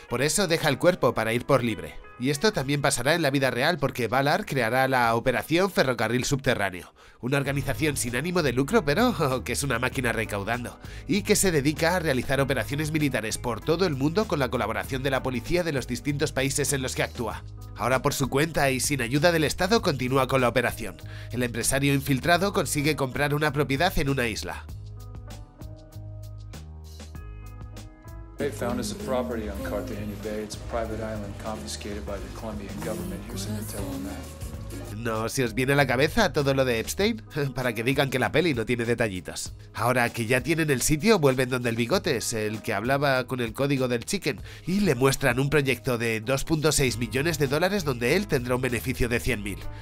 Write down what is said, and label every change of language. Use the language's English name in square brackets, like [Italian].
[Spanish] Por eso deja el cuerpo para ir por libre. Y esto también pasará en la vida real porque Ballard creará la Operación Ferrocarril Subterráneo, una organización sin ánimo de lucro pero que es una máquina recaudando, y que se dedica a realizar operaciones militares por todo el mundo con la colaboración de la policía de los distintos países en los que actúa. Ahora por su cuenta y sin ayuda del Estado continúa con la operación. El empresario infiltrado consigue comprar una propiedad en una isla. [English] They found us a property on Cartagena Bay. It's a private island confiscated by the Colombian government. Here's some intel on that. [Spanish] ¿No se os viene a la cabeza todo lo de Epstein? Para que digan que la peli no tiene detallitos. Ahora que ya tienen el sitio, vuelven donde el Bigotes, el que hablaba con el código del Chicken, y le muestran un proyecto de 2.6 millones de dólares donde él tendrá un beneficio de 100.000.